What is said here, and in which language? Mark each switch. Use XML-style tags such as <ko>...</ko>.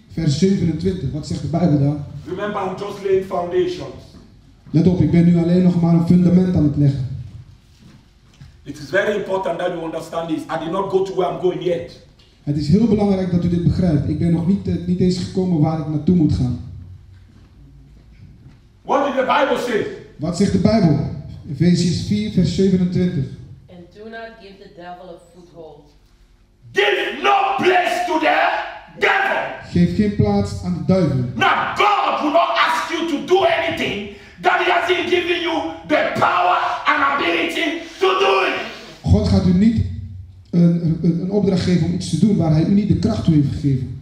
<nl>Vers 27, wat zegt de Bijbel dan?</nl> <en>Remember, I'm just laying foundations.</en> <nl>Let op, ik ben nu alleen nog maar een fundament aan het leggen.</nl> <en>It is very important that you understand this. I did not go to where I'm going yet.</en> <nl>Het is heel belangrijk dat u dit begrijpt. Ik ben nog niet eens gekomen waar ik naartoe moet gaan.</nl> <en>What did the Bible say?</en> <nl>Wat zegt de Bijbel? Efesiërs 4, vers 27.</nl> <en>And do not give the devil a foothold. Give no place to the devil.</en> <nl>Geef geen plaats aan de duivel.</nl> <en>Now God will not ask you to do anything that he hasn't given you the power and ability to do it.</en> <nl>God gaat u niet een opdracht geven om iets te doen waar hij u niet de kracht toe heeft gegeven.</nl>